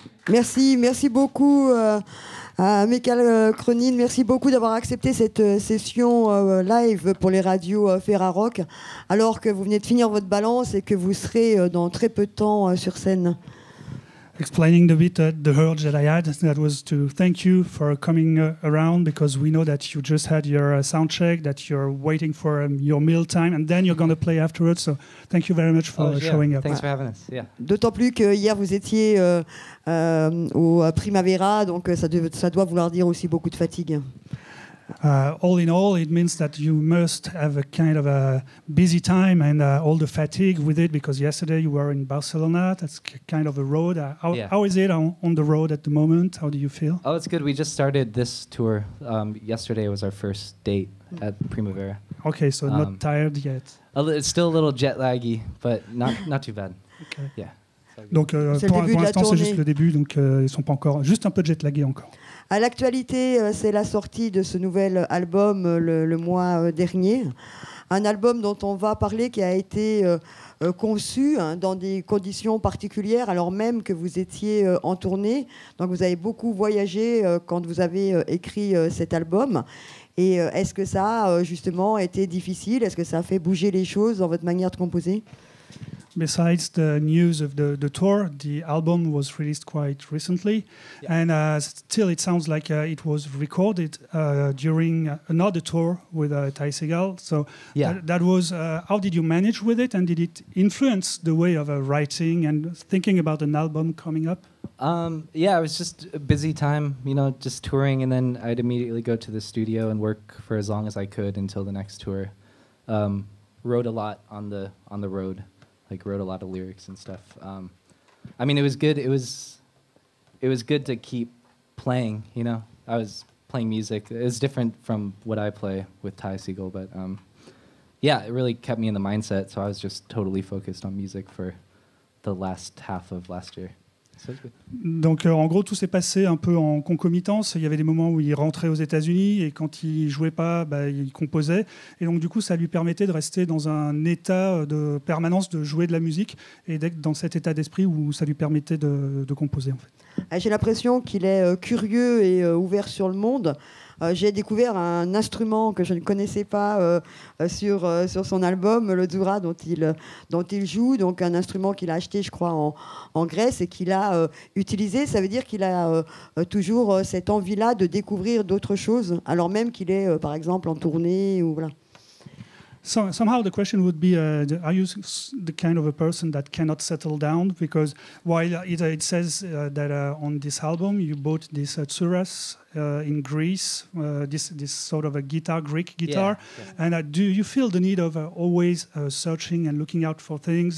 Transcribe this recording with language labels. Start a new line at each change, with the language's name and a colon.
French: Merci beaucoup à Mikal Cronin, merci beaucoup d'avoir accepté cette session live pour les radios Ferarock, alors que vous venez de finir votre balance et que vous serez dans très peu de temps sur scène.
English: Explaining a bit the urge that I had, that was to thank you for coming around, because we know that you just had your sound check, that you're waiting for your meal time, and then you're going to play afterwards. So thank you very much for showing up. Thanks for having us. Yeah. D'autant plus que hier vous étiez au Primavera, donc ça doit vouloir dire aussi beaucoup de fatigue. All in all, it means that you must have a kind of a busy time and all the fatigue with it, because yesterday you were in Barcelona. That's kind of a road. How is it on the road at the moment? How do you feel? Oh, it's good. We just started this tour. Yesterday was our first date at Primavera. Okay, so not tired yet. It's still a little jet laggy, but not too bad. Okay. Yeah.
French: Donc pour l'instant, c'est juste le début, donc ils sont pas encore, juste un peu jet laggy encore. À l'actualité, c'est la sortie de ce nouvel album le mois dernier. Un album dont on va parler, qui a été conçu dans des conditions particulières, alors même que vous étiez en tournée. Donc vous avez beaucoup voyagé quand vous avez écrit cet album. Et est-ce que ça a justement été difficile? Est-ce que ça a fait bouger les choses dans votre manière de composer?
English: besides the news of the tour, the album was released quite recently, and still it sounds like it was recorded during another tour with Ty Segall. So that was how did you manage with it, and did it influence the way of writing and thinking about an album coming up? It was just a busy time, you know, just touring, and then I'd immediately go to the studio and work for as long as I could until the next tour. Wrote a lot on the road, like wrote a lot of lyrics and stuff. I mean, it was good. It was good to keep playing. You know, I was playing music. It was different from what I play with Ty Segall, but it really kept me in the mindset. So I was just totally focused on music for the last half of last year.
French: Donc en gros tout s'est passé un peu en concomitance, il y avait des moments où il rentrait aux États-Unis et quand il jouait pas, bah, il composait, et donc du coup ça lui permettait de rester dans un état de permanence de jouer de la musique et d'être dans cet état d'esprit où ça lui permettait de composer en fait. J'ai l'impression qu'il est curieux et ouvert sur le monde. J'ai découvert un instrument que je ne connaissais pas sur son album, le Zoura, dont il joue, donc un instrument qu'il a acheté, je crois, en Grèce et qu'il a utilisé. Ça veut dire qu'il a toujours cette envie-là de découvrir d'autres choses, alors même qu'il est, par exemple, en tournée ou voilà.
English: So somehow the question would be, are you the kind of a person that cannot settle down? Because while it says that on this album you bought this Tsouras in Greece, this sort of a guitar, Greek guitar. Yeah, yeah. And do you feel the need of always searching and looking out for things?